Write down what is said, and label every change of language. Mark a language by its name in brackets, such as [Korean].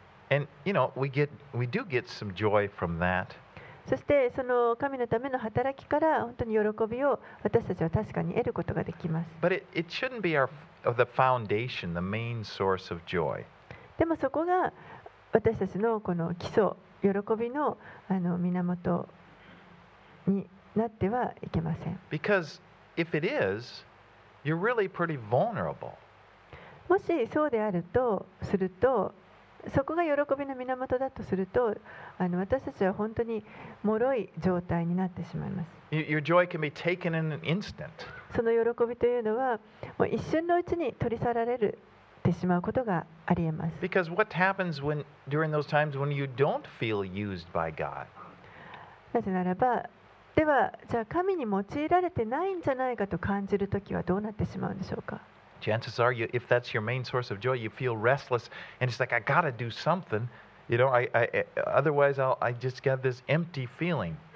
[English] And you know, we do get some joy from that. [Japanese] そしてその神のための働きから本当に喜びを私たちは確かに得ることができます。 [English] But it shouldn't be the foundation, the main source of joy. [Japanese] でもそこが私たちのこの基礎、喜びの源になってはいけません。 [English] Because if it is, you're really pretty vulnerable. [Japanese] もしそうであるとすると、そこが喜びの源だとすると、私たちは本当に脆い状態になってしまいます。 [English] Your joy can be taken in an instant. [Japanese] その喜びというのは、もう一瞬のうちに取り去られる。しまうことがありえます。 [English] Because what happens when during those times when you don't feel used by God? [Japanese] なぜならば、ではじゃあ神に用いられてないんじゃないかと感じるときはどうなってしまうんでしょうか。 [English] Chances are you, if that's your main source of joy, you feel restless and it's like I gotta do something. You know, otherwise I just get this empty feeling.